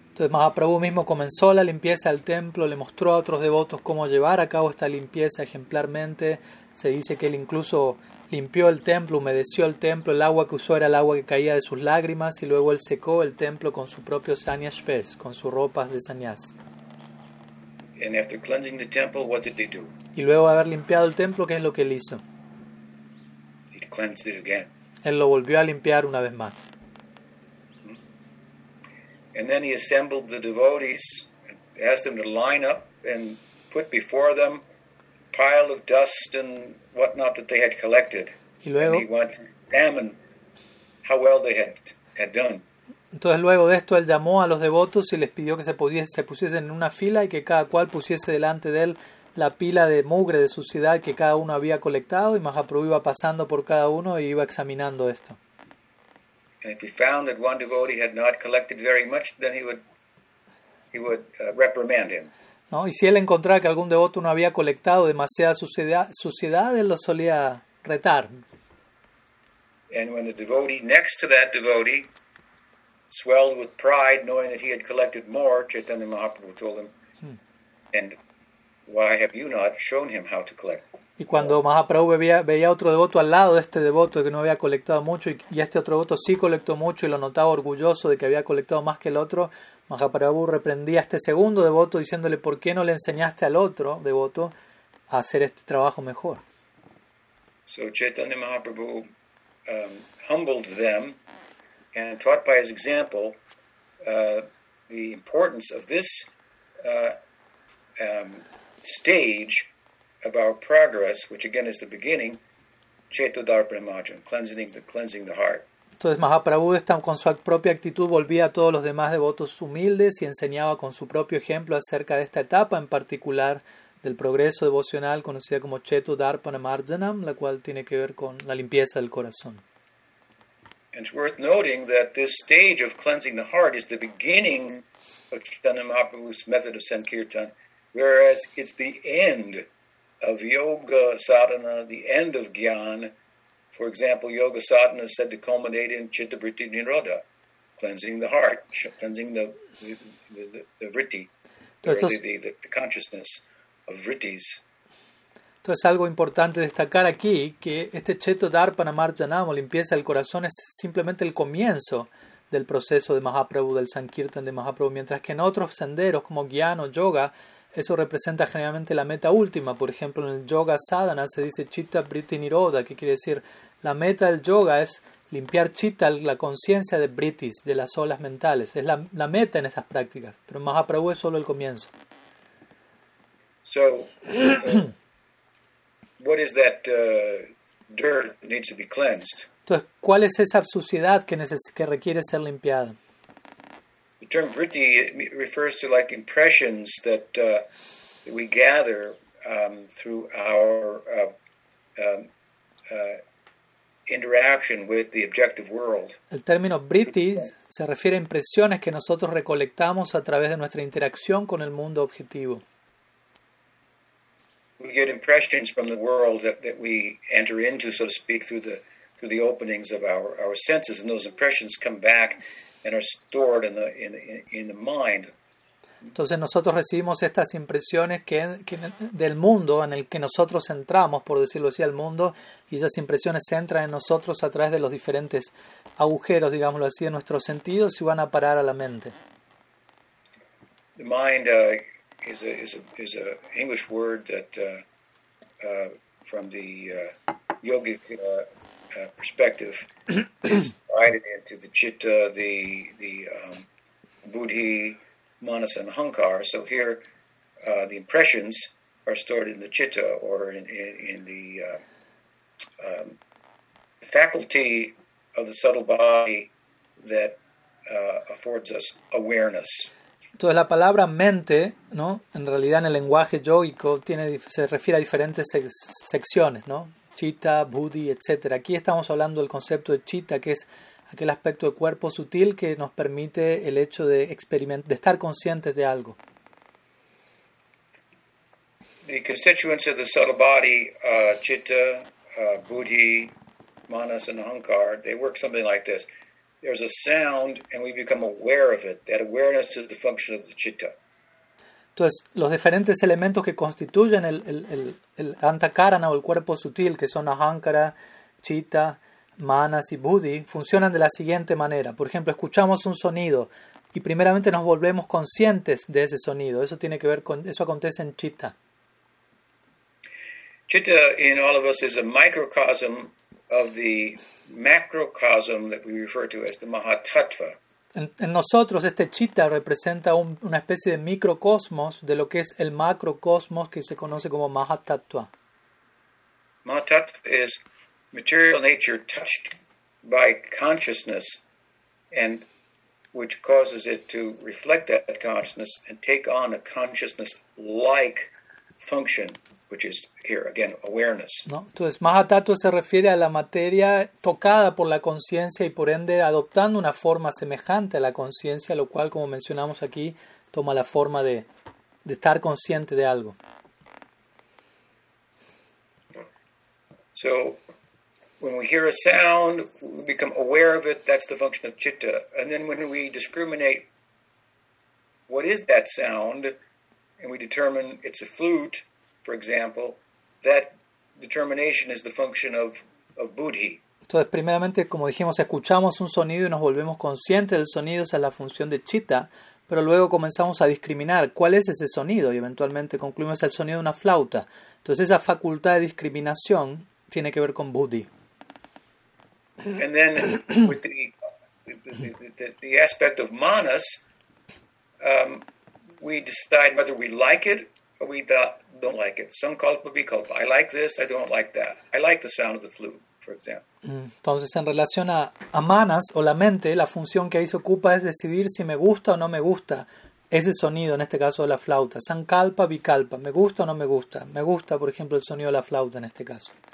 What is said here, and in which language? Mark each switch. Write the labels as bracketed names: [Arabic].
[Spanish] Entonces Mahaprabhu mismo comenzó la limpieza del templo, le mostró a otros devotos cómo llevar a cabo esta limpieza ejemplarmente. Se dice que él incluso limpió el templo, humedeció el templo, el agua que usó era el agua que caía de sus lágrimas, y luego él secó el templo con su propio sannyas vesh, con sus ropas de sannyas. [English] And after cleansing the temple, what did they do? [Spanish] Y luego de haber limpiado el templo, ¿qué es lo que él hizo? [English] He cleansed it again. [Spanish] Él lo volvió a limpiar una vez más. [English] And then he assembled the devotees, asked them to line up and put before them pile of dust and whatnot that they had collected. [Spanish] Y luego, [English] and he wanted to examine how well they had done. [Spanish] Entonces luego de esto él llamó a los devotos y les pidió que se pusiesen en una fila y que cada cual pusiese delante de él la pila de mugre de suciedad que cada uno había colectado, y Mahaprabhu iba pasando por cada uno y iba examinando esto. [English] And if he found that one devotee had not collected very much, then he would reprimand him. [Spanish] No, y si él encontraba que algún devoto no había colectado demasiada suciedad, él lo solía retar. [English] And when the devotee next to that devotee swelled with pride, knowing that he had collected more, Chaitanya Mahaprabhu told him, and why have you not shown him how to collect? [Spanish] Y cuando Mahaprabhu veía a otro devoto al lado de este devoto que no había colectado mucho, y este otro devoto sí colectó mucho y lo notaba orgulloso de que había colectado más que el otro, Mahaprabhu reprendía a este segundo devoto diciéndole, ¿por qué no le enseñaste al otro devoto a hacer este trabajo mejor? [English] So Chaitanya Mahaprabhu humbled them and taught by his example the importance of this stage of our progress, which again is the beginning, cheto darpana majan, cleansing the heart. [Spanish] Entonces Mahaprabhu con su propia actitud volvía a todos los demás devotos humildes y enseñaba con su propio ejemplo acerca de esta etapa en particular del progreso devocional conocida como cheto darpana marjanam, la cual tiene que ver con la limpieza del corazón. [English] And it's worth noting that this stage of cleansing the heart is the beginning of Chaitanya Mahaprabhu's method of sankirtan, whereas it's the end of yoga sadhana, the end of jnana. For example, yoga sadhana is said to culminate in chitta vritti niroda, cleansing the heart, cleansing the vritti, the consciousness of vrittis. [Spanish] Entonces, algo importante destacar aquí, que este cheto darpana marjanam, limpieza del corazón, es simplemente el comienzo del proceso de Mahaprabhu, del sankirtan de Mahaprabhu, mientras que en otros senderos como jnana o yoga, eso representa generalmente la meta última. Por ejemplo, en el yoga sadhana se dice chitta vritti niroda, que quiere decir la meta del yoga es limpiar chitta, la conciencia de vrittis, de las olas mentales. Es la meta en esas prácticas. Pero Mahaprabhu es solo el comienzo. [English] So, what is that dirt that needs to be cleansed? [Spanish] Entonces, ¿cuál es esa suciedad que requiere ser limpiada? [English] The term vritti refers to like impressions that we gather through our interaction with the objective world. [Spanish] El término vritti se refiere a impresiones que nosotros recolectamos a través de nuestra interacción con el mundo objetivo. [English] We get impressions from the world that we enter into, so to speak, through the openings of our senses, and those impressions come back and are stored in the mind. [Spanish] Entonces nosotros recibimos estas impresiones que del mundo en el que nosotros entramos, por decirlo así, al mundo, y esas impresiones se entran en nosotros a través de los diferentes agujeros, digámoslo así, de nuestros sentidos y van a parar a la mente. [English] The mind is a English word that from the yogic perspective is divided into the chitta, the buddhi, manas, and ahankar. So here, the impressions are stored in the chitta or in the faculty of the subtle body that affords us awareness. [Spanish] Entonces la palabra mente, ¿no? En realidad en el lenguaje yógico se refiere a diferentes secciones, ¿no? Chitta, buddhi, etc. Aquí estamos hablando del concepto de chitta, que es aquel aspecto de cuerpo sutil que nos permite el hecho de experimentar, de estar conscientes de algo. [English] The constituents of the subtle body, chitta, buddhi, manas and ahankar, they work something like this. There's a sound and we become aware of it. That awareness is the function of the chitta. [Spanish] Entonces, los diferentes elementos que constituyen el antakarana o el cuerpo sutil, que son ahankara, chitta, manas y buddhi, funcionan de la siguiente manera. Por ejemplo, escuchamos un sonido y primeramente nos volvemos conscientes de ese sonido. Eso tiene que ver con eso acontece en chitta. [English] Chitta in all of us is a microcosm of the macrocosm that we refer to as the Mahatattva. [Spanish] En nosotros este chitta representa una especie de microcosmos de lo que es el macrocosmos que se conoce como Mahatattva. [English] Mahatattva is material nature touched by consciousness and which causes it to reflect that consciousness and take on a consciousness-like function, which is here again awareness. [Spanish] No, entonces Mahatattva se refiere a la materia tocada por la conciencia y por ende adoptando una forma semejante a la conciencia, lo cual, como mencionamos aquí, toma la forma de estar consciente de algo. [English] So when we hear a sound, we become aware of it. That's the function of chitta. And then when we discriminate what is that sound and we determine it's a flute, for example, that determination is the function of buddhi. [Spanish] Entonces, primeramente, como dijimos, escuchamos un sonido y nos volvemos conscientes del sonido, esa es la función de chitta, pero luego comenzamos a discriminar cuál es ese sonido y eventualmente concluimos el sonido de una flauta. Entonces, esa facultad de discriminación tiene que ver con buddhi. [English] And then with the aspect of manas, we decide whether we like it or we don't like it. Sankalpa vikalpa. I like this, I don't like that. I like the sound of the flute, for example. [Spanish] Entonces, en relación a manas o la mente, la función que ahí se ocupa es decidir si me gusta o no me gusta ese sonido, en este caso de la flauta. Sankalpa vikalpa. Me gusta o no me gusta. Me gusta, por ejemplo, el sonido de la flauta en este caso.